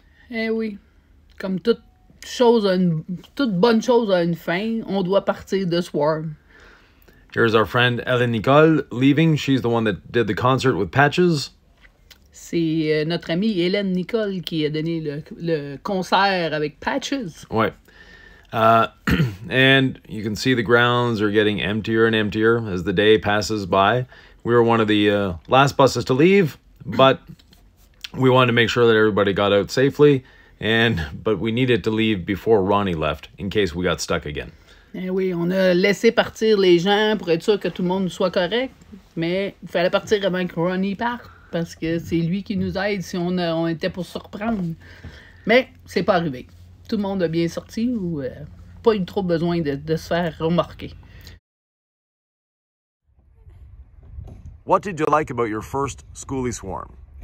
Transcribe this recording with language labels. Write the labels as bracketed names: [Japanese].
[French] Eh oui, comme toute bonne chose a une fin, on doit partir de Swarm. [English] Here's our friend Ellen Nicole leaving. She's the one that did the concert with Patches. [French] C'est notre amie Hélène Nicole qui a donné le concert avec Patches. Ouais. [English] And you can see the grounds are getting emptier and emptier as the day passes by. We were one of the last buses to leave, but we wanted to make sure that everybody got out safely, but we needed to leave before Ronnie left in case we got stuck again. [French] Eh oui, on a laissé partir les gens pour être sûr que tout le monde soit correct, mais il fallait partir avant que Ronnie parte parce que c'est lui qui nous aide si on était pour surprendre. Mais c'est pas arrivé. Tout le monde a bien sorti ou pas eu trop besoin de se faire remarquer. [English] What did you like about your first Skoolie Swarm?